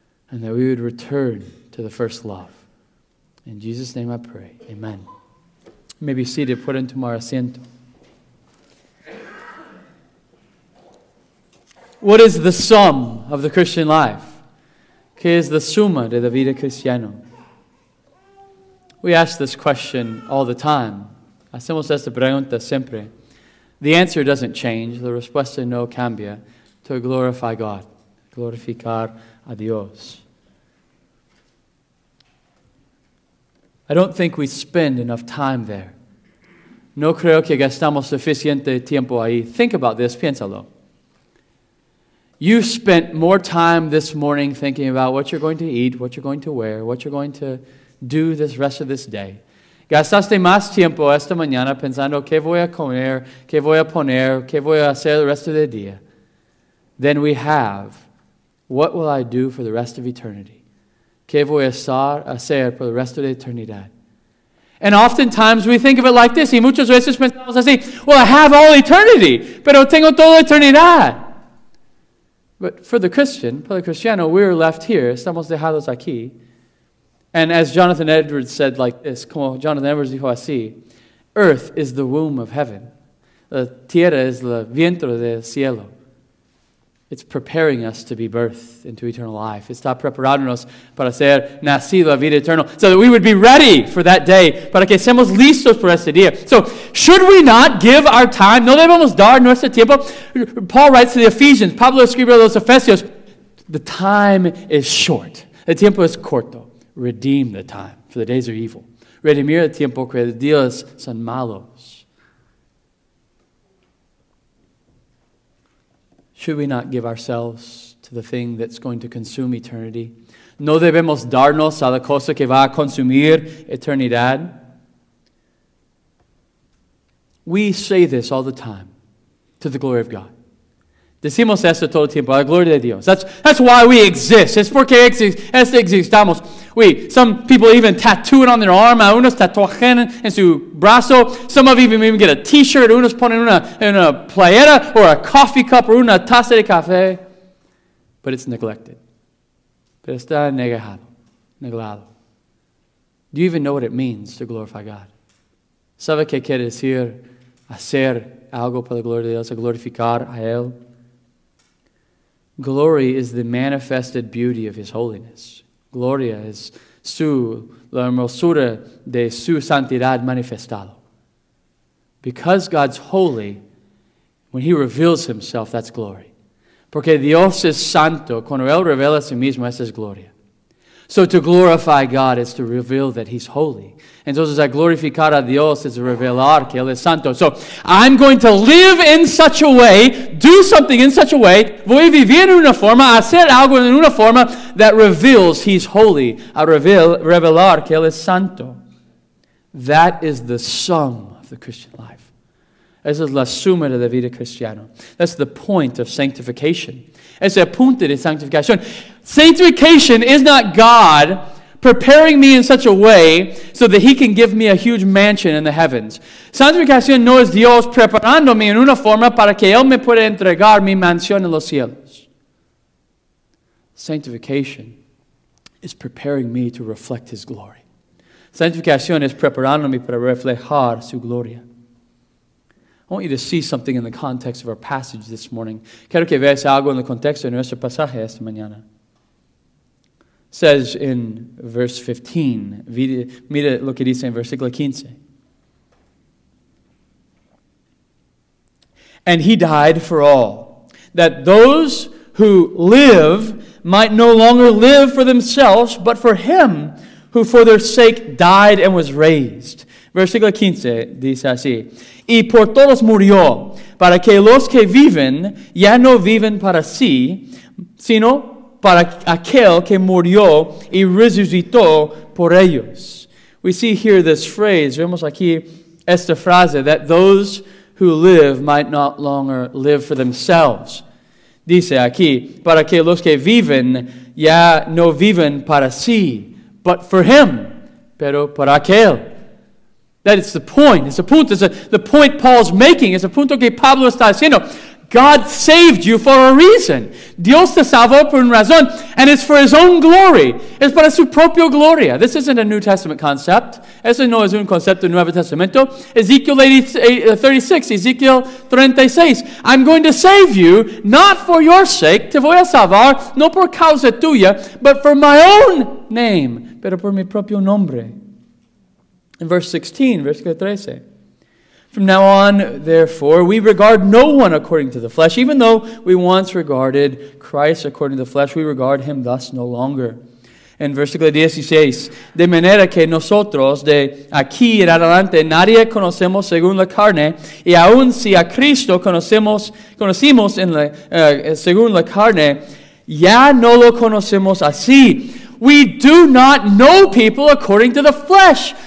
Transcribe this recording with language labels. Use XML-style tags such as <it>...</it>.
<en>And that we would return to the first love. In Jesus' name I pray. Amen. You may be seated. Put into my asiento. What is the sum of the Christian life?</en> <es>¿Qué es la suma de la vida cristiana?</es> <en>We ask this question all the time.</en> <es>Hacemos esta pregunta siempre.</es> <en>The answer doesn't change.</en> <es>The respuesta no cambia.</es> <en>To glorify God.</en> <es>Glorificar a Dios.</es> <en>I don't think we spend enough time there.</en> <es>No creo que gastamos suficiente tiempo ahí.</es> <en>Think about this,</en> <es>piénsalo.</es> <en>You spent more time this morning thinking about what you're going to eat, what you're going to wear, what you're going to do this rest of this day.</en> <es>Gastaste más tiempo esta mañana pensando qué voy a comer, qué voy a poner, qué voy a hacer</es> <en>the rest of the</en> <es>día.</es> <en>Then we have, what will I do for the rest of eternity?</en> <es>¿Qué voy a hacer por el resto de la eternidad?</es> <en>And oftentimes we think of it like this,</en> <es>y muchas veces pensamos así,</es> <en>well, I have all eternity,</en> <es>pero tengo toda eternidad.</es> <en>But for the Christian,</en> <es>para el cristiano,</es> <en>we're left here,</en> <es>estamos dejados aquí.</es> <en>And as Jonathan Edwards said like this,</en> <es>como Jonathan Edwards dijo así,</es> <en>earth is the womb of heaven.</en> <es>La tierra es el vientre del cielo.</es> <en>It's preparing us to be birthed into eternal life.</en> <es>Está preparándonos para ser nacido a vida eterna,</es> <en>so that we would be ready for that day,</en> <es>para que seamos listos por ese día.</es> <en>So, should we not give our time?</en> <es>No debemos dar nuestro tiempo.</es> <en>Paul writes to the Ephesians,</en> <es>Pablo escribe a los Efesios,</es> <en>the time is short.</en> <es>El tiempo es corto.</es> <en>Redeem the time, for the days are evil.</en> <es>Redimir el tiempo, que los días son malos.</es> <en>Should we not give ourselves to the thing that's going to consume eternity?</en> <es>No debemos darnos a la cosa que va a consumir eternidad.</es> <en>We say this all the time, to the glory of God.</en> <es>Decimos esto todo el tiempo, a la gloria de Dios.</es> <en>That's why we exist.</en> <es>Es porque existamos.</es> <en>Some people even tattoo it on their arm.</en> <es>Unos tatuajen en su brazo.</es> <en>Some of them even get a t-shirt.</en> <es>Unos ponen una playera</es> <en>or a coffee cup or</en> <es>una taza de café.</es> <en>But it's neglected.</en> <es>Pero está neglado.</es> <en>Do you even know what it means to glorify God?</en> <es>¿Sabe qué quiere decir hacer algo para la gloria de Dios, a glorificar a Él?</es> <en>Glory is the manifested beauty of His holiness.</en> <es>Gloria es la hermosura de su santidad manifestado.</es> <en>Because God's holy, when He reveals Himself, that's glory.</en> <es>Porque Dios es santo, cuando Él revela a sí mismo, esa es gloria.</es> <en>So to glorify God is to reveal that He's holy.</en> <es>Entonces, a glorificar a Dios es revelar que Él es santo.</es> <en>So, I'm going to live in such a way, do something in such a way,</en> <es>voy a vivir en una forma,</es> <en>hacer algo en una forma that reveals He's holy.</en> <es>Revelar que Él es santo.</es> <en>That is the sum of the Christian life.</en> <es>Esa es la suma de la vida cristiana.</es> <en>That's the point of sanctification.</en> <es>Es el punto de sanctificación.</es> <en>Sanctification is not God preparing me in such a way so that He can give me a huge mansion in the heavens.</en> <es>Santificación no es Dios preparándome en una forma para que Él me pueda entregar mi mansión en los cielos.</es> <en>Sanctification is preparing me to reflect His glory.</en> <es>Santificación es preparándome para reflejar su gloria.</es> <en>I want you to see something in the context of our passage this morning.</en> <es>Quiero que veas algo en el contexto de nuestro pasaje esta mañana.</es> <en>Says in verse 15,</en> <es>mira lo que dice en versículo 15.</es> <en>And He died for all, that those who live might no longer live for themselves, but for Him who for their sake died and was raised.</en> <es>Versículo 15 dice así, y por todos murió, para que los que viven ya no viven para sí, sino para aquel que murió y resucitó por ellos.</es> <en>We see here this phrase,</en> <es>vemos aquí esta frase,</es> <en>that those who live might not longer live for themselves.</en> <es>Dice aquí, para que los que viven ya no viven para sí,</es> <en>but for Him,</en> <es>pero para aquel.</es> <en>That is the point. It's a punto. It's the point Paul's making. It's a punto que Pablo está haciendo. God saved you for a reason.</en> <es>Dios te salvó por una razón.</es> <en>And it's for His own glory.</en> <es>Es para su propia gloria.</es> <en>This isn't a New Testament concept.</en> <es>Eso no es un concepto Nuevo Testamento.</es> <en>Ezekiel 36. I'm going to save you, not for your sake.</en> <es>Te voy a salvar, no por causa tuya,</es> <en>but for my own name.</en> <es>Pero por mi propio nombre.</es> <en>In verse 16,</en> <es>versículo 13.</es> <en>From now on, therefore, we regard no one according to the flesh. Even though we once regarded Christ according to the flesh, we regard Him thus no longer.</en> <es>En versículo 16, de manera que nosotros de aquí en adelante nadie conocemos según la carne, y aun si a Cristo conocimos en la, según la carne, ya no lo conocemos así.</es> <en>We do not know people according to the flesh.</en>